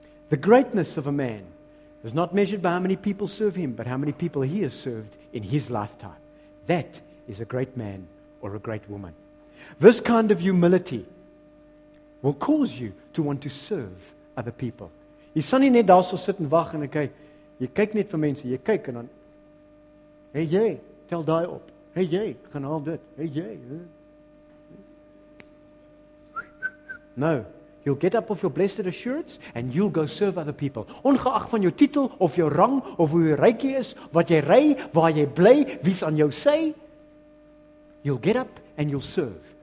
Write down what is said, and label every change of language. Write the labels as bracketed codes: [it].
[en] The greatness of a man is not measured by how many people serve him, but how many people he has served in his lifetime. That is a great man or a great woman. This kind of humility will cause you to want to serve other people. [af] Jy sal nie net daar so sit en wag en kyk. Jy kyk net vir mense. Jy kyk en dan, hey, jy, tel daai op. Hey jy, gaan haal dit. Hey jy. [en] No, you'll get up off your blessed assurance and you'll go serve other people. [af] Ongeag van jou titel of jou rang of hoe ryk jy is, wat jy ry, waar jy bly, wie's aan jou sy, [en] you'll get up and you'll serve.